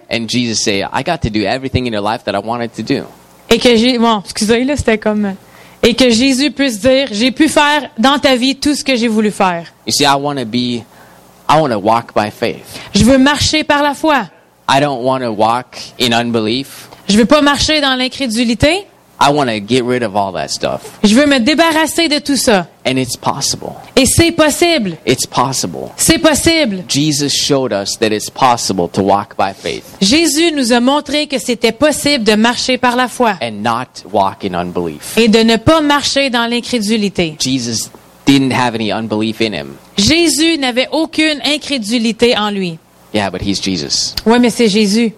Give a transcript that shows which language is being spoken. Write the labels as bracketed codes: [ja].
[en] And Jesus said, I got to do everything in your life that I wanted to do. [fr] Et que Jésus puisse dire, j'ai pu faire dans ta vie tout ce que j'ai voulu faire. [en] You see, I want to walk by faith. [fr] Je veux marcher par la foi. [en] I don't want to walk in unbelief. [fr] Je veux pas marcher dans l'incrédulité. [en] I want to get rid of all that stuff. [fr] Je veux me débarrasser de tout ça. [en] And it's possible. [fr] Et c'est possible. [en] It's possible. [fr] C'est possible. [en] Jesus showed us that it's possible to walk by faith. [fr] Jésus nous a montré que c'était possible de marcher par la foi. [en] And not walk in unbelief. [fr] Et de ne pas marcher dans l'incrédulité. [en] Jesus didn't have any unbelief in him. [fr] Jésus n'avait aucune incrédulité en lui. [en] Yeah, but he's Jesus. [fr] Ouais, mais c'est Jésus.